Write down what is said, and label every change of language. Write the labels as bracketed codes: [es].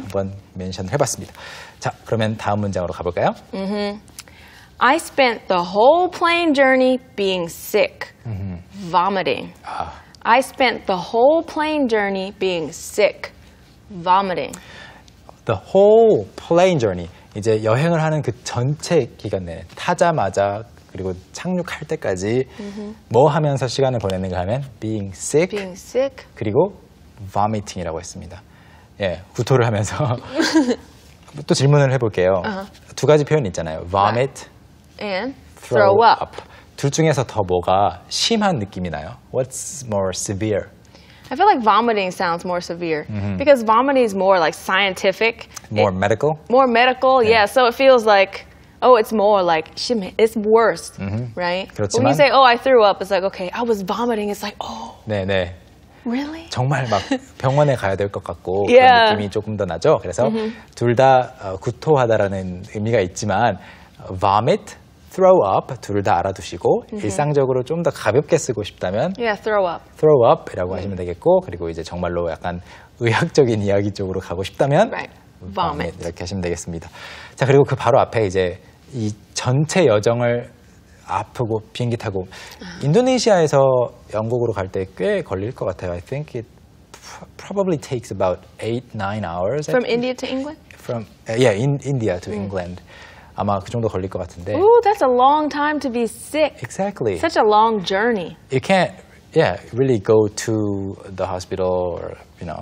[ko] 한번 멘션을 해봤습니다. 자, 그러면 다음 문장으로 가볼까요? Mm-hmm. [en] I spent the whole plane journey being sick, vomiting. I spent the whole plane journey being sick, vomiting. The whole plane journey. [ko] 이제 여행을 하는 그 전체 기간 내내 타자마자 그리고 착륙할 때까지 뭐 하면서 시간을 보냈는가 하면 being sick, [en] being sick. [ko] 그리고 vomiting이라고 했습니다. 예, 구토를 하면서 또 질문을 해볼게요. Uh-huh. 두 가지 표현이 있잖아요. [en] Vomit and throw up. [ko] 둘 중에서 더 뭐가 심한 느낌이 나요? [en] What's more severe? I feel like vomiting sounds more severe mm-hmm. because vomiting is more like scientific. More medical? More medical, yeah. So it feels like, oh, it's more like, it's worse, right? [ko] 그렇지만, [en] when you say, oh, I threw up, it's like, okay, I was vomiting, it's like, oh. [ko] 네네. [en] Really? [ko] 정말 막 병원에 가야 될 것 같고 yeah. 그런 느낌이 조금 더 나죠. 그래서 둘 다 구토하다라는 의미가 있지만 vomit, throw up 둘 다 알아두시고 일상적으로 좀 더 가볍게 쓰고 싶다면 [en] yeah, throw up. [ko] throw up이라고 하시면 되겠고 그리고 이제 정말로 약간 의학적인 이야기 쪽으로 가고 싶다면 [en] right. vomit. vomit [ko] 이렇게 하시면 되겠습니다. 자, 그리고 그 바로 앞에 이제 이 전체 여정을 아프고 비행기 타고 인도네시아에서 영국으로 갈 때 꽤 걸릴 것 같아요. [en] I think it probably takes about 8-9 hours. From India to England? From yeah, in India to England. [ko] 아마 그 정도 걸릴 것 같은데. [en] Ooh, that's a long time to be sick. Exactly. Such a long journey. You can't, really go to the hospital or, you know.